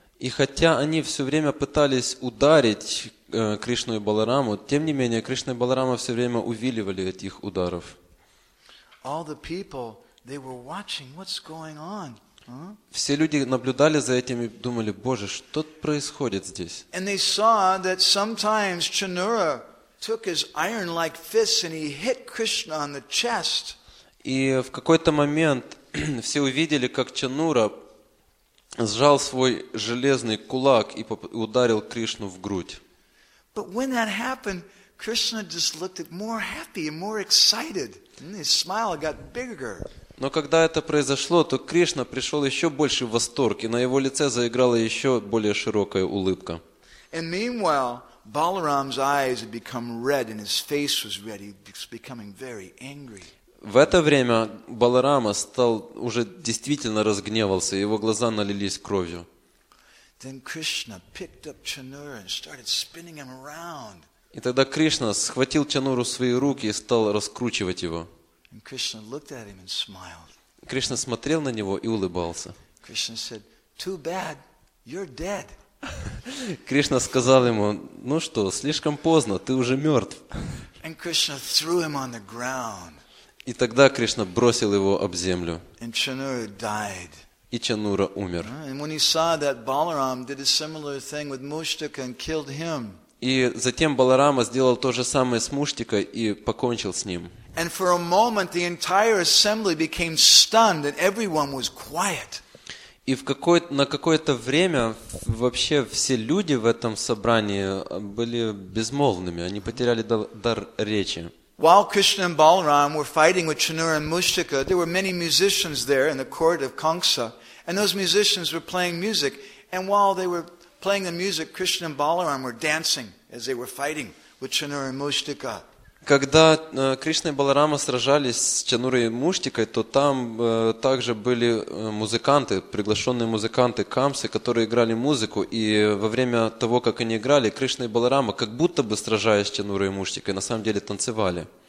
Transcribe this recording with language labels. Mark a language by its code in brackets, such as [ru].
[ru] И хотя они все время пытались ударить Кришну и Балараму, тем не менее Кришна и Баларама все время увиливали от их ударов. [en] All the people, they were watching what's going on. [ru] Все люди наблюдали за этим и думали: боже, что происходит здесь? [en] And they saw that sometimes Chanura took his iron-like fists and he hit Krishna on the chest. [ru] И в какой-то момент все увидели, как Чанура сжал свой железный кулак и ударил Кришну в грудь. [en] But when that happened, Krishna just looked more happy and more excited. His smile got bigger. [ru] Но когда это произошло, то Кришна пришел еще больше в восторг, и на его лице заиграла еще более широкая улыбка. [en] And meanwhile, Balaram's eyes had become red and his face was red. He was becoming very angry. [ru] В это время Баларама стал уже действительно разгневался, его глаза налились кровью. [en] Then Krishna picked up Chanura and started spinning him around. [ru] И тогда Кришна схватил Чануру в свои руки и стал раскручивать его. [en] And Krishna looked at him and smiled. [ru] Кришна смотрел на него и улыбался. [en] Krishna said, "Too bad, you're dead." [ru] Кришна сказал ему: "Ну что, слишком поздно, ты уже мертв." [en] And Krishna threw him on the ground. [ru] И тогда Кришна бросил его об землю. [en] And Chanura died. [ru] И Чанура умер. [en] And when he saw that Balaram did a similar thing with Mushtika and killed him. [ru] И затем Баларама сделал то же самое с Муштикой и покончил с ним. [en] And for a moment the entire assembly became stunned and everyone was quiet. [ru] И на какое-то время вообще все люди в этом собрании были безмолвными, они потеряли дар речи. [en] While Krishna and Balaram were fighting with Chanura and Mushtika, there were many musicians there in the court of Kamsa, and those musicians were playing music, and while they were playing the music, Krishna and Balaram were dancing as they were fighting with Chanura and Mushtika. [ru] Когда Кришна и Баларама сражались с Чанурой и Муштикой, то там также были музыканты, приглашенные музыканты Камсы, которые играли музыку, и во время того, как они играли, Кришна и Баларама, как будто бы сражаясь с Чанурой и Муштикой, на самом деле танцевали.